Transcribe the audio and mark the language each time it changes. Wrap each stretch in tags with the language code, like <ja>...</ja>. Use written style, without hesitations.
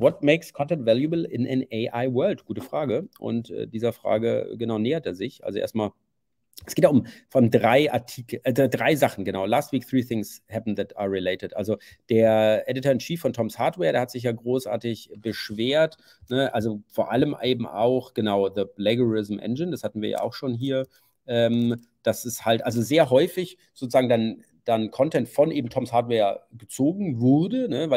<en>What makes content valuable in an AI-World?</en> <de>Gute Frage. Und dieser Frage genau nähert er sich. Also erstmal, es geht ja um von drei Artikel, drei Sachen, genau.</de> <en>Last week three things happened that are related.</en> <de>Also der Editor-in-Chief von Tom's Hardware, der hat sich ja großartig beschwert, ne? Also vor allem eben auch, genau,</de> <en>the plagiarism engine,</en> <de>das hatten wir ja auch schon hier. Das ist halt, also sehr häufig sozusagen dann Content von eben Tom's Hardware gezogen wurde, ne?</de>